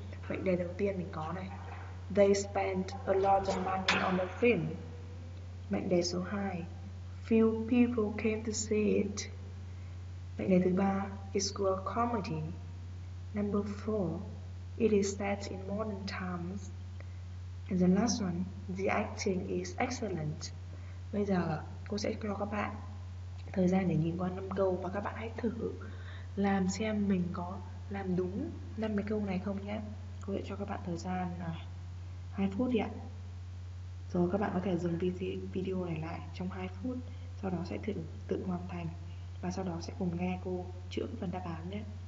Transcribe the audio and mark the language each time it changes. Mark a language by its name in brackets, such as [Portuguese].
[Vietnamese] Mệnh đề đầu tiên mình có này, [English] they spent a lot of money on the film. [Vietnamese] Mệnh đề số 2, [English] Few people came to see it. [Vietnamese] Mệnh đề thứ ba, [English] it's a comedy. Number four, it is set in modern times. And the last one, the acting is excellent. [Vietnamese] Bây giờ cô sẽ cho các bạn thời gian để nhìn qua 5 câu và các bạn hãy thử làm xem mình có làm đúng 5 cái câu này không nhé. Cô sẽ cho các bạn thời gian 2 phút đi ạ. Rồi các bạn có thể dừng video này lại trong 2 phút, sau đó sẽ tự hoàn thành và sau đó sẽ cùng nghe cô chữa phần đáp án nhé.